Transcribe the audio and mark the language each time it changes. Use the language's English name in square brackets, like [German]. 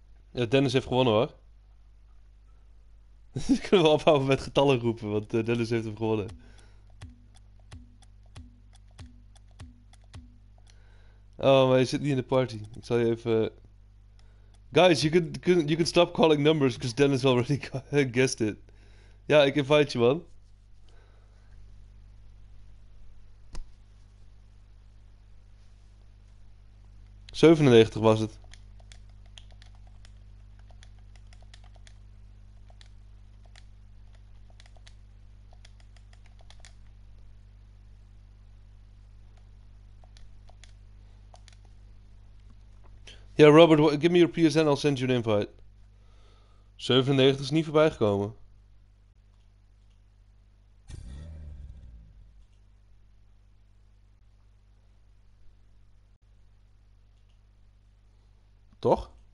[Dutch] Ja, Dennis heeft gewonnen, hoor. Dus kunnen we ophouden met getallen roepen, want Dennis heeft hem gewonnen. Oh, maar je zit niet in de party. Ik zal je even. [English] Guys, you can stop calling numbers, because Dennis already guessed it. [Dutch] Ja, ik invite je, man. '97 was het. [English] Ja, Robert, give me your PSN, I'll send you an invite. [Dutch] 97 is niet voorbij gekomen. Toch?